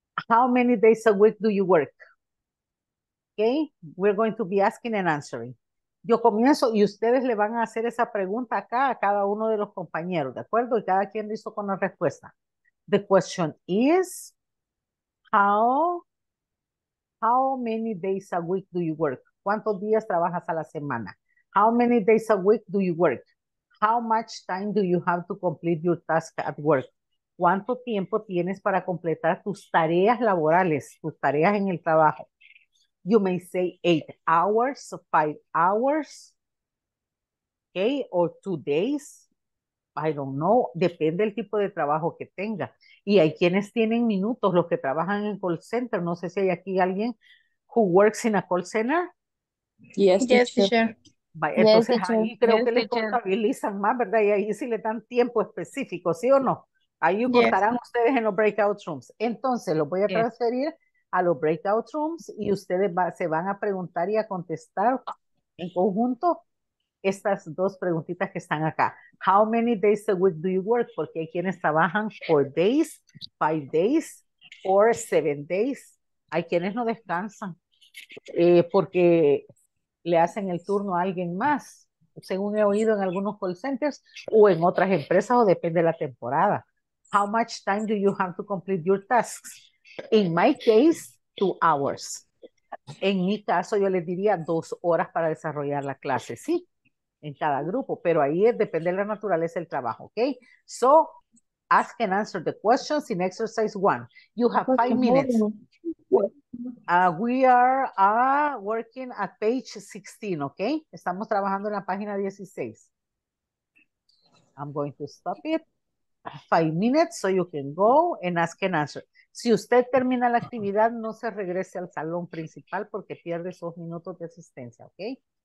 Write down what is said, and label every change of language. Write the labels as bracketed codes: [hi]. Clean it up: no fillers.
[en] How many days a week do you work? Okay, we're going to be asking and answering. [es] Yo comienzo y ustedes le van a hacer esa pregunta acá a cada uno de los compañeros, ¿de acuerdo? Y cada quien listo con la respuesta. [en] The question is, how many days a week do you work? [es] ¿Cuántos días trabajas a la semana? [en] How many days a week do you work? How much time do you have to complete your task at work? [es] ¿Cuánto tiempo tienes para completar tus tareas laborales, tus tareas en el trabajo? [en] You may say 8 hours, 5 hours, okay, or 2 days. I don't know, [es] depende del tipo de trabajo que tenga. Y hay quienes tienen minutos, los que trabajan en call center. No sé si hay aquí alguien [en] who works in a call center. Yes, yes, teacher. [es] Entonces [en] yes, teacher. [es] Ahí creo yes, que teacher. Le contabilizan más, ¿verdad? Y ahí sí le dan tiempo específico, ¿sí o no? Ahí votarán ustedes en los breakout rooms. Entonces, los voy a transferir a los breakout rooms y ustedes se van a preguntar y a contestar en conjunto estas dos preguntitas que están acá. [en] How many days a week do you work? [es] Porque hay quienes trabajan [en] 4 days, 5 days, or 7 days. [es] Hay quienes no descansan porque le hacen el turno a alguien más, según he oído en algunos call centers o en otras empresas, o depende de la temporada. [en] How much time do you have to complete your tasks? In my case, 2 hours. [es] En mi caso, yo les diría 2 horas para desarrollar la clase, ¿sí? En cada grupo, pero ahí depende de la naturaleza del trabajo, ¿ok? [en] So, ask and answer the questions in exercise 1. You have 5 minutes. We are working at page 16, ¿ok? [es] Estamos trabajando en la página 16. [en] I'm going to stop it. 5 minutes so you can go and ask and answer. [es] Si usted termina la actividad, no se regrese al salón principal porque pierde esos minutos de asistencia, ¿ok?